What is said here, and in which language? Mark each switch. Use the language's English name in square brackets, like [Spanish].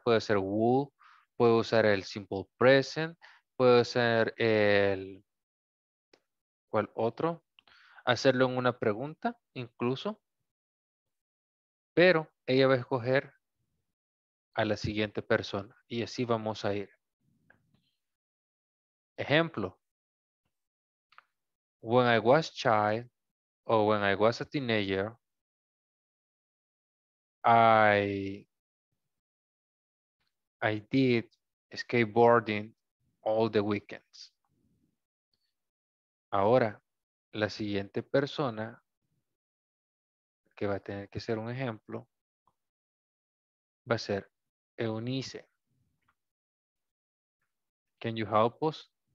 [Spanish] Puede ser would, puede usar el simple present, puede ser el... ¿cuál otro? Hacerlo en una pregunta, incluso. Pero ella va a escoger a la siguiente persona y así vamos a ir. Ejemplo. [English] When I was a child or when I was a teenager, I did skateboarding all the weekends. [Spanish] Ahora, la siguiente persona que va a tener que ser un ejemplo va a ser Eunice. [English] Can you help us?